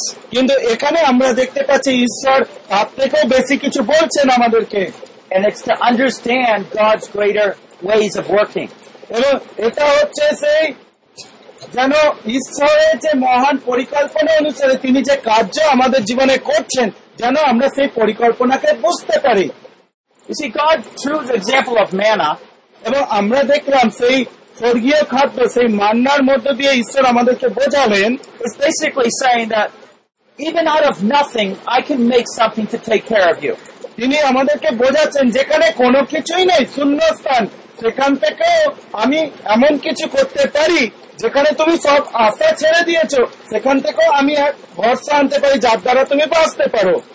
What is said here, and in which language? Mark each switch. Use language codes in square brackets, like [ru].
[bn] কিন্তু এখানে আমরা দেখতে পাচ্ছি ঈশ্বর তার থেকেও বেশি কিছু বলছেন আমাদেরকে। [en] And it's to understand God's greater ways of working. [bn] এটা হচ্ছে সেই যেন ঈশ্বরের যে মহান পরিকল্পনা অনুসারে তিনি যে কার্য আমাদের জীবনে করছেন যেন আমরা সেই পরিকল্পনাকে বুঝতে পারি। [en] You see, God, through the example of manna, [bn] এবং আমরা দেখলাম সেই স্বর্গীয় খাদ্য সেই মান্নার মধ্য দিয়ে ঈশ্বর আমাদেরকে বোঝালেন, [en] is basically saying that even out of nothing I can make something to take care of you. [bn] তিনি আমাদেরকে বোঝাচ্ছেন যেখানে কোনো কিছুই নেই, শূন্য স্থান, সেখান থেকেও আমি এমন কিছু করতে পারি যেখানে তুমি সব আশা ছেড়ে দিয়েছো, সেখান থেকেও আমি ভরসা আনতে পারি যার দ্বারা তুমি বাঁচতে পারো।